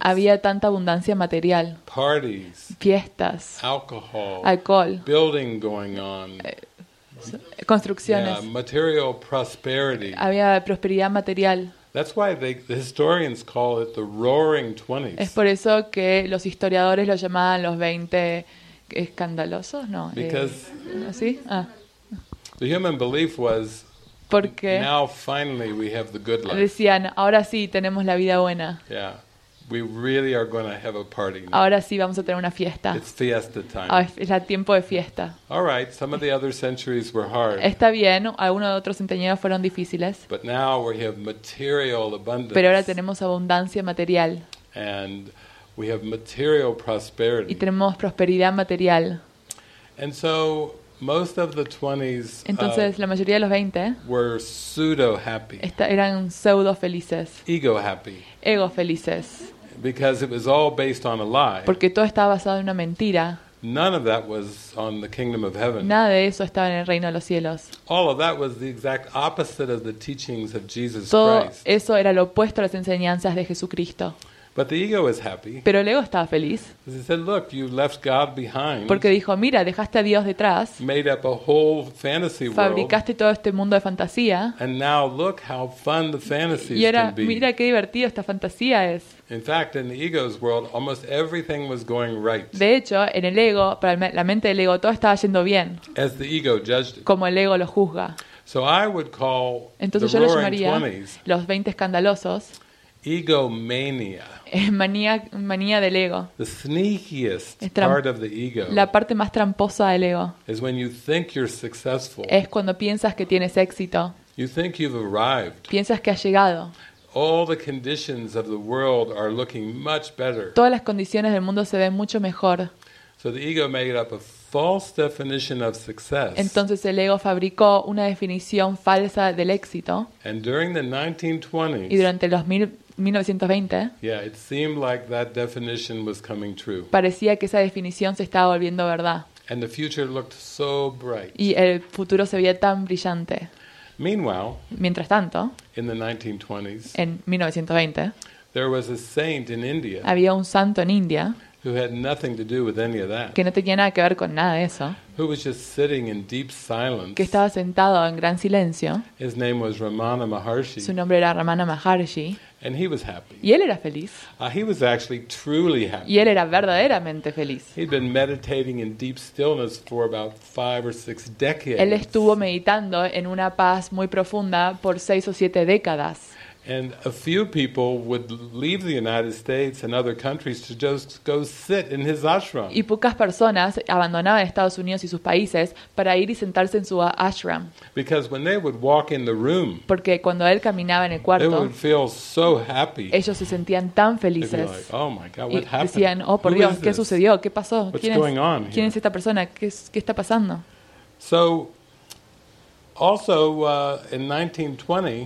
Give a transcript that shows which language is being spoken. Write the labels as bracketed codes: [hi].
[es] Había tanta abundancia material. [en] Parties. [es] Fiestas. [en] Alcohol. [es] Alcohol. [en] Building going on. [es] Construcciones. [en] Yeah, material prosperity. [es] Había prosperidad material. [en] That's why the historians call it the Roaring Twenties. [es] Es por eso que los historiadores lo llamaban los 20 escandalosos, no. [en] Because [es] ¿sí? Ah. [en] The human belief was [es] porque [en] now finally we have the good life. [es] Decían, ahora sí tenemos la vida buena. [en] Yeah. We really are going to have a party now. [es] Ahora sí vamos a tener una fiesta. [en] It's fiesta time. [es] Ah, es el tiempo de fiesta. [en] All right, some of the other centuries were hard. [es] Está bien, algunos de otros centenios fueron difíciles. [en] But now we have material abundance. [es] Pero ahora tenemos abundancia material. [en] And we have material prosperity. [es] Y tenemos prosperidad material. [en] And so most of the 20s [es] entonces, la mayoría de los 20 [en] were pseudo happy. [es] Eran pseudo felices. [en] Ego happy. [es] Ego felices. [en] Because it was all based on a lie. [es] Porque todo estaba basado en una mentira. [en] None of that was on the kingdom of heaven. [es] Nada de eso estaba en el reino de los cielos. [en] All of that was the exact opposite of the teachings of Jesus [es] Todo eso era lo opuesto a las enseñanzas de Jesucristo. [en] But the ego was happy. [es] Pero el ego estaba feliz. [en] He said, "Look, you left God behind." [es] Porque dijo, mira, dejaste a Dios detrás. [en] Made up a whole fantasy world. [es] Fabricaste todo este mundo de fantasía. [en] And now look how fun the fantasies can be. [es] Y ahora mira qué divertido esta fantasía es. [en] In fact, in the ego's world, almost everything was going right. [es] De hecho, en el ego, para la mente del ego, todo estaba yendo bien. [en] As the ego judged it. [es] Como el ego lo juzga. [en] So I would call [es] entonces [en] the [es] yo lo llamaría los 20 escandalosos. [en] Ego mania. [es] Manía del ego. [en] The sneakiest part of the ego. [es] La parte más tramposa del ego. [en] Is when you think you're successful. [es] Es cuando piensas que tienes éxito. [en] You think you've arrived. [es] Piensas que has llegado. [en] All the conditions of the world are looking much better. [es] Todas las condiciones del mundo se ven mucho mejor. [en] So the ego made up a false definition of success. [es] Entonces el ego fabricó una definición falsa del éxito. [en] And during the 1920s. [es] Y durante los 1920. [en] Yeah, it seemed like that definition was coming true. [es] Parecía que esa definición se estaba volviendo verdad. [en] And the future looked so bright. [es] Y el futuro se veía tan brillante. [en] Meanwhile, [es] mientras tanto, [en] in the 1920s, [es] en 1920, [en] there was a saint in India, [es] había un santo en India, [en] who had nothing to do with any of that, [es] que no tenía nada que ver con nada de eso, [en] who was just sitting in deep silence, [es] que estaba sentado en gran silencio, [en] his name was Ramana Maharshi, [es] su nombre era Ramana Maharshi, [en] and he was happy, [es] y él era feliz, [en] he was actually truly happy, [es] y él era verdaderamente feliz, [en] he'd been meditating in deep stillness for about 5 or 6 decades, [es] él estuvo meditando en una paz muy profunda por 6 o 7 décadas. [en] And a few people would leave the United States and other countries to just go sit in his ashram. [es] Y pocas personas abandonaban Estados Unidos y sus países para ir y sentarse en su ashram. [en] Because when they would walk in the room, [es] porque cuando él caminaba en el cuarto, [en] they would feel so happy. [es] Ellos se sentían tan felices. [en] Like, oh my God, what happened? [es] Y decían, oh por Dios, ¿qué sucedió? ¿Qué pasó? ¿Quién es esta persona? ¿Qué está pasando? [en] So. Also, in 1920,